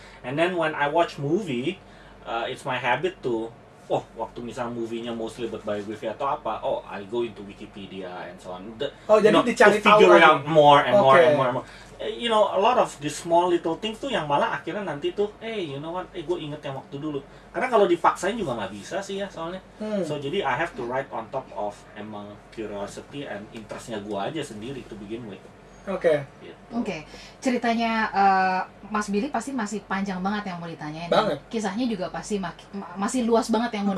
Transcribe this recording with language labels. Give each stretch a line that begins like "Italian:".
English: And then when I watch movie, it's my habit to
Indonesian: waktu misalnya
English: movie-nya mostly about biography
Indonesian: atau apa,
English: I go into Wikipedia and so on.
Indonesian: Jadi dicari tahu
English: figure out more and more. You know, a lot of these small little things
Indonesian: tuh yang malah akhirnya nanti tuh, gue inget yang waktu dulu. Karena kalau dipaksain juga nggak bisa sih ya soalnya.
English: So,
Indonesian: jadi
English: I have to write on top of
Indonesian: emang
English: curiosity and interest-nya
Indonesian: gue aja sendiri
English: to begin with.
Indonesian: Oke. Ceritanya Mas Billy pasti masih panjang banget yang mau ditanyain. Banget. Kisahnya juga pasti masih luas banget yang mau